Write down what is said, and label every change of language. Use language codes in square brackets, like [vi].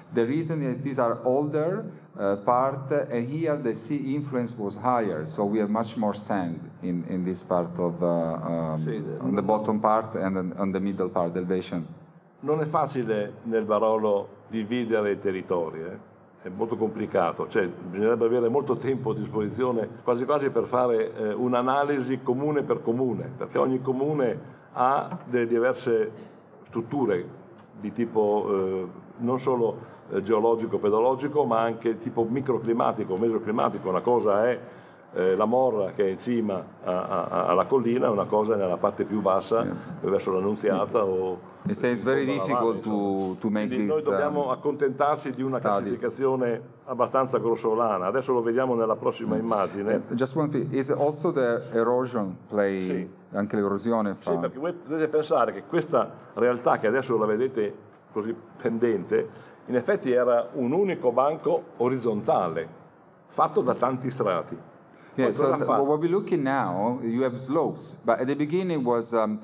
[en] The reason is these are older part, and here the sea influence was higher, so we have much more sand in this part of on the bottom part and on the middle part, the elevation. [it] Non è facile nel Barolo dividere i territori, è molto complicato, cioè bisognerebbe avere molto tempo a disposizione, quasi quasi per fare un'analisi comune per comune, perché ogni comune ha delle diverse strutture di tipo non solo geologico-pedologico, ma anche tipo microclimatico, mesoclimatico. Una cosa è la Morra che è in cima alla collina, una cosa è nella parte più bassa, verso l'Annunziata. [en] It's very difficult to make this. [it] Noi dobbiamo accontentarsi di una [en] study. [it] Classificazione abbastanza grossolana. Adesso lo vediamo nella prossima immagine. [en] Just one thing, is also the erosion play, [it] sì. Anche l'erosione fa. Sì, perché voi potete pensare che questa realtà che adesso la vedete così pendente, in effetti era un unico banco orizzontale, fatto da tanti strati. [en] Yeah, so what we're looking now, you have slopes, but at the beginning it was